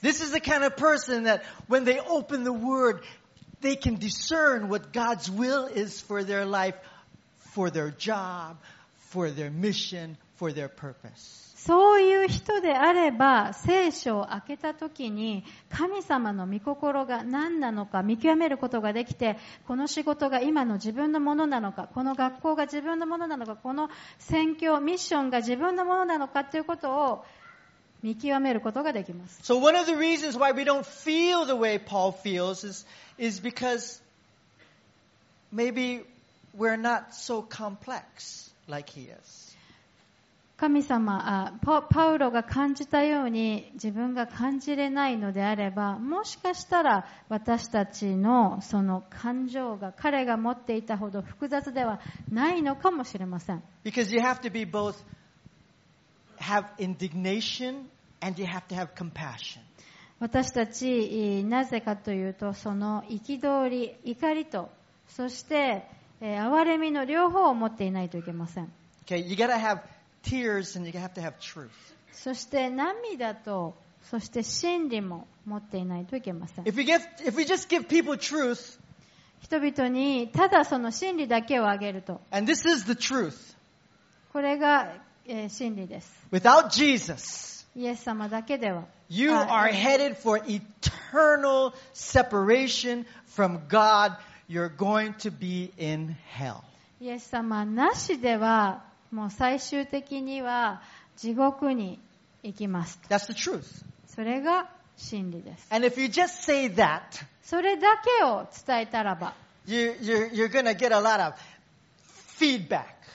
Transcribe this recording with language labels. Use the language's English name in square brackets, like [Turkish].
[English] This is the kind of person that when they open the word, they can discern what God's will is for their life, for their job, for their mission, for their purpose. [Japanese] そういう人であれば、聖書を開けた時に神様の御心が何なのか見極めることができて、この仕事が今の自分のものなのか、この学校が自分のものなのか、この宣教ミッションが自分のものなのかということを見極めることができます。 [English] So one of the reasons why we don't feel the way Paul feels is because maybe we're not so complex like he is. [Japanese] 神様、パウロが感じたように自分が感じれないのであれば、もしかしたら私たちのその感情が彼が持っていたほど複雑ではないのかもしれません。 [English] Because you have to be both have indignation and you have to have compassion. [Japanese] 私たちなぜかというと、その憤り、怒りと、そして憐れみの両方を持っていないといけません。 [English] Okay, you gotta have tears and you have to have truth. [Japanese] そして涙と、そして真理も持っていないといけません。 [English] If we just give people truth, [Japanese] 人々にただその真理だけをあげると、 [English] and this is the truth. [Japanese] これが真理です。 [English] Without Jesus, [Japanese] イエス様だけでは、 [English] you are headed for eternal separation from God. You're going to be in hell. [Japanese] イエス様なしでは、もう最終的には地獄に行きます。 [English] That's the truth. [Japanese] それが真理です。 [English] And if you just say that, [Japanese] それだけを伝えたらば、 [English] you're gonna get a lot of feedback.